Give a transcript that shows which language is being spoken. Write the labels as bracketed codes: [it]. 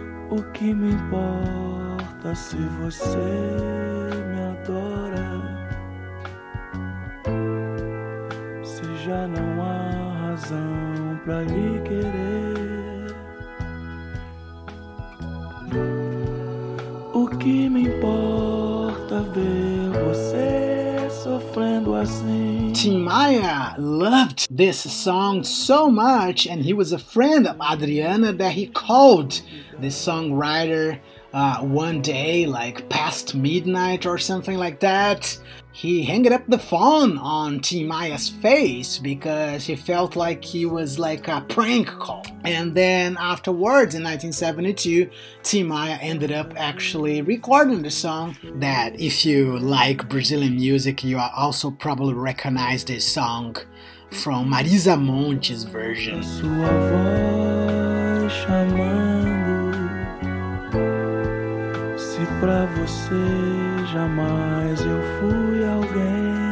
[pt] O que me importa se você me adora? Se já não há razão pra lhe querer? O que me importa ver você sofrendo assim? [en] Tim Maia loved this song so much, and he was a friend of Adriana that he called the songwriter one day, like past midnight or something like that. He hanged up the phone on Tim Maia's face because he felt like he was like a prank call. And then afterwards, in 1972, Tim Maia ended up actually recording the song that, if you like Brazilian music, you are also probably recognize this song from Marisa Monte's version. [pt] Sua voz chamando, se pra você jamais eu fui alguém.